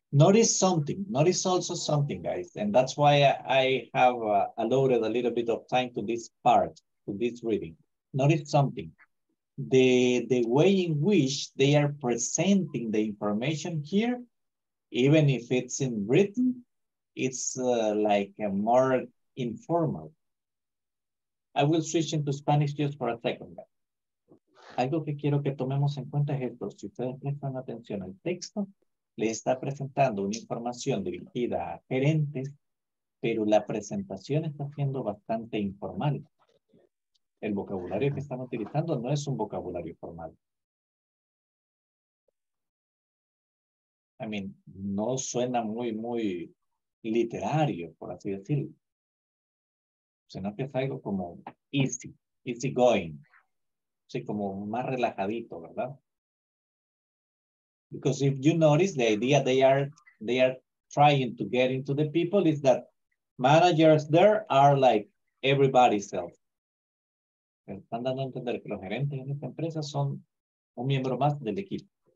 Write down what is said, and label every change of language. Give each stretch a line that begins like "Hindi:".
English: notice also something, guys, and that's why I have allotted a little bit of time to this part, to this reading. Notice something. The way in which they are presenting the information here, even if it's in written, it's like a more informal. I will switch into Spanish just for a second.
Spanish: Algo que quiero que tomemos en cuenta es esto. Si ustedes prestan atención al texto, les está presentando una información dirigida a gerentes, pero la presentación está siendo bastante informal. El vocabulario que están utilizando no es un vocabulario formal.
English: I mean,
Spanish: no suena muy, muy literario, por así decirlo. Sino que es algo como
English: easy going.
Spanish: Sí, como más relajadito, ¿verdad?
English: Because if you notice, the idea they are trying to get into the people is that managers there are like everybody's self.
Spanish: Están dando a entender que los gerentes en esta empresa son un miembro más del equipo.